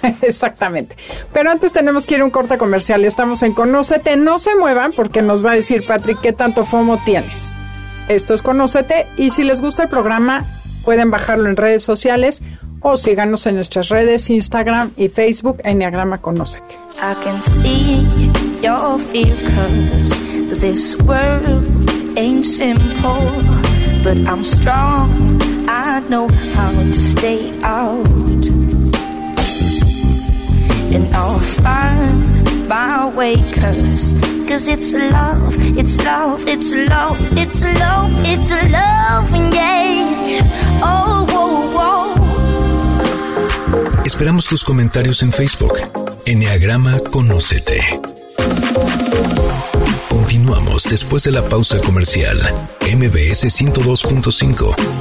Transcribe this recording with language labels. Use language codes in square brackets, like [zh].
[es] Exactamente. Pero antes tenemos que ir a un corte comercial. Estamos en Conócete. No se muevan porque nos va a decir Patrick qué tanto FOMO tienes. Esto es Conócete. Y si les gusta el programa, pueden bajarlo en redes sociales o síganos en nuestras redes Instagram y Facebook, Enneagrama Conócete. [en] I can see your fear, 'cause this world ain't simple, but I'm strong, I know how to stay out, and I'll find my way, 'cause it's love, it's love, it's love, it's love, it's love, yeah, oh, whoa, whoa. [es] Esperamos tus comentarios en Facebook. Enneagrama Conócete. Continuamos después de la pausa comercial. MBS 102.5.